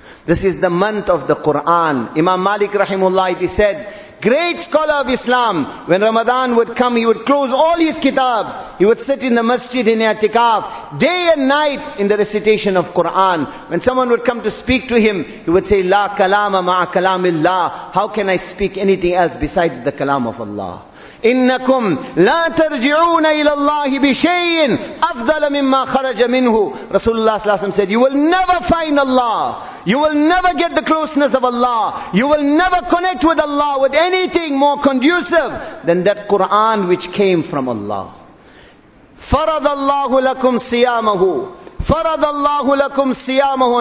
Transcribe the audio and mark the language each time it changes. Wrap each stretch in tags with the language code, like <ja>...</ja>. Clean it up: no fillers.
<en>This is the month of the Quran. Imam Malik rahimullah, he said, great scholar of Islam, when Ramadan would come, he would close all his kitabs. He would sit in the masjid in i'tikaf, day and night in the recitation of Quran. When someone would come to speak to him, he would say,</en> <ar>La kalama ma'a kalamillah.</ar> <en>How can I speak anything else besides the kalam of Allah?</en> <ar>إنكم لا ترجعون إلى الله بشيء أفضل مما خرج منه.</ar> <en>رسول الله صلى الله عليه وسلم said, you will never find Allah. You will never get the closeness of Allah. You will never connect with Allah with anything more conducive than that Quran which came from Allah.</en> <ar>فرض الله لكم صيامه. فرض الله لكم صيامه.</ar>